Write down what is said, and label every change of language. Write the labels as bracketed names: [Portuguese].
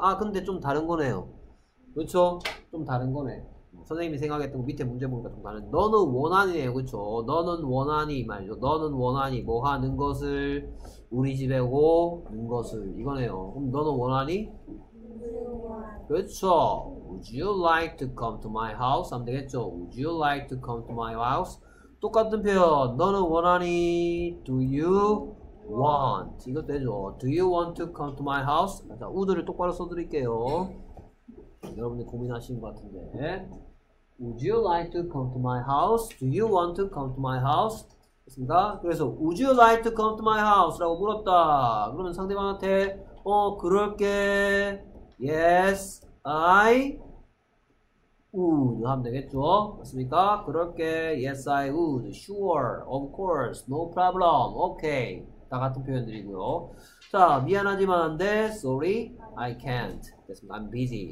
[Korean] 아 근데 좀 다른 거네요. 그렇죠. 좀 다른 거네. 선생님이 생각했던 거 밑에 문제 보니까 좀 다른. 너는 원하니네요. 그렇죠. 너는 원하니 말이죠. 너는 원하니 뭐 하는 것을 우리 집에 오는 것을 이거네요. 그럼 너는 원하니? 그렇죠. [English] Would you like to come to my house? [Korean] 안 되겠죠. [English] Would you like to come to my house? [Korean] 똑같은 표현. 너는 원하니? [English] Do you want? [Korean] 이거 되죠. [English] Do you want to come to my house? [Korean] 자, would를 똑바로 써드릴게요. 여러분들 고민하신 것 같은데. [English] Would you like to come to my house? Do you want to come to my house? [Korean] 됐습니다. [English] 그래서 Would you like to come to my house? [Korean] 라고 물었다. 그러면 상대방한테 어 그럴게. [English] Yes, I would [Korean] 하면 되겠죠? 맞습니까? 그럴게. [English] Yes, I would. Sure, of course, no problem. Okay. [Korean] 다 같은 표현들이고요. 자, 미안하지만 안 돼. [English] Sorry, I can't. [Korean] 됐습니다. [English] I'm busy.